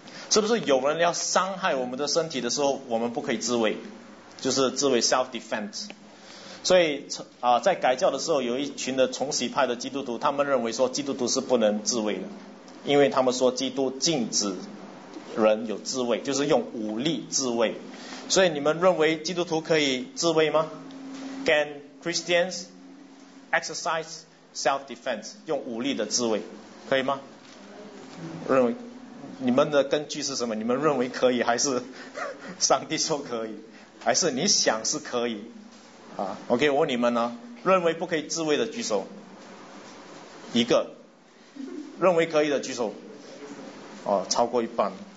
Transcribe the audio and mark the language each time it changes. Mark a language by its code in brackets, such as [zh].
[zh] 是不是有人要伤害我们的身体的时候，我们不可以自卫，就是自卫 self defense。所以在改教的时候，有一群的重洗派的基督徒，他们认为说基督徒是不能自卫的，因为他们说基督禁止人有自卫，就是用武力自卫。所以你们认为基督徒可以自卫吗？ [en] Can Christians exercise self defense， [zh] 用武力的自卫可以吗？认为你们的根据是什么？你们认为可以，还是上帝说可以，还是你想是可以OK， 我问你们呢，认为不可以自卫的举手，一个；认为可以的举手，超过一半。